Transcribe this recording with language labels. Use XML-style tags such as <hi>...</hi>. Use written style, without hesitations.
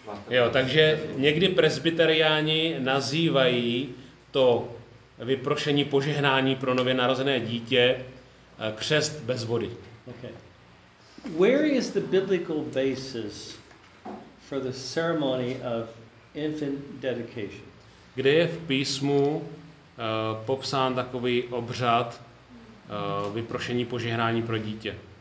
<cs>Jo, takže někdy presbyteriáni nazývají to vyprošení požehnání pro nově narozené dítě křest bez vody.</cs> <en>Okay. Where is the biblical basis for the ceremony of infant dedication?</en> <cs>Kde je v písmu popsán takový obřad vyprošení požehnání pro dítě?</cs>